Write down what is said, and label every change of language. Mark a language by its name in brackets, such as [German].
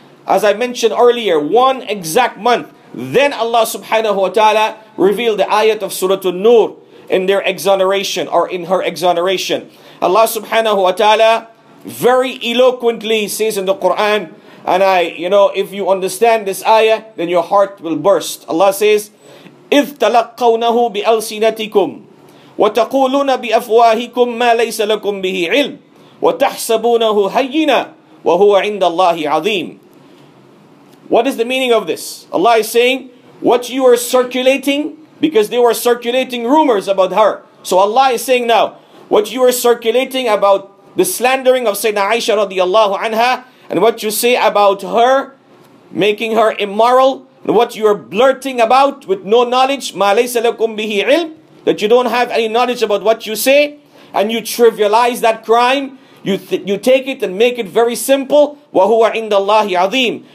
[English] As I mentioned earlier, one exact month. Then Allah subhanahu wa ta'ala revealed the ayat of Surah An-Nur in her exoneration. Allah subhanahu wa ta'ala very eloquently says in the Quran, and if you understand this ayah, then your heart will burst. Allah says, [Arabic] إِذْ تَلَقَّوْنَهُ بِأَلْسِنَتِكُمْ وَتَقُولُونَ بِأَفْوَاهِكُمْ مَا لَيْسَ لَكُمْ بِهِ عِلْمٌ وَتَحْسَبُونَهُ هَيِّنًا وَهُوَ عِنْدَ اللَّهِ عَظِيمٌ. [English] What is the meaning of this? Allah is saying, what you are circulating, because they were circulating rumors about her. So Allah is saying now, what you are circulating about the slandering of Sayyidina Aisha radiallahu anha, and what you say about her, making her immoral, and what you are blurting about with no knowledge, [Arabic] مَا لَيْسَ لَكُمْ بِهِ عِلْمٌ, [English] that you don't have any knowledge about what you say, and you trivialize that crime, you take it and make it very simple, [Arabic] وَهُوَ عِنْدَ اللَّهِ عَظِيمٌ.